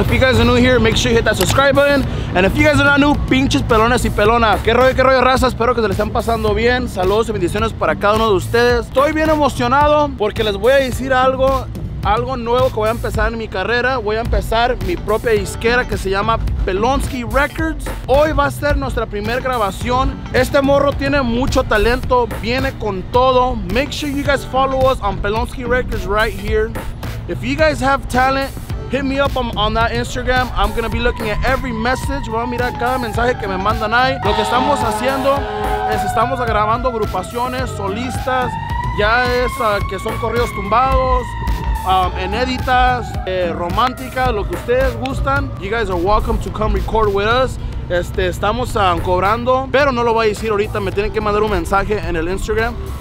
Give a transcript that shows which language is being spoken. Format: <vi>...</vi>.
<en>If you guys are new here, make sure you hit that subscribe button. And if you guys are not new,</en> <es>pinches pelones y pelonas. Qué rollo, raza. Espero que se les estén pasando bien. Saludos y bendiciones para cada uno de ustedes. Estoy bien emocionado porque les voy a decir algo. Algo nuevo que voy a empezar en mi carrera. Voy a empezar mi propia disquera que se llama Pelonsky Records. Hoy va a ser nuestra primera grabación. Este morro tiene mucho talento, viene con todo.</es> <en>Make sure you guys follow us on Pelonsky Records right here. If you guys have talent, hit me up on that Instagram. I'm gonna be looking at every message.</en> <es>Voy a mirar cada mensaje que me mandan ahí. Lo que estamos haciendo es estamos grabando agrupaciones, solistas. Ya es que son corridos tumbados, inéditas, románticas, lo que ustedes gustan.</es> <en>You guys are welcome to come record with us.</en> <es>Estamos cobrando, pero no lo voy a decir ahorita. Me tienen que mandar un mensaje en el Instagram.</es>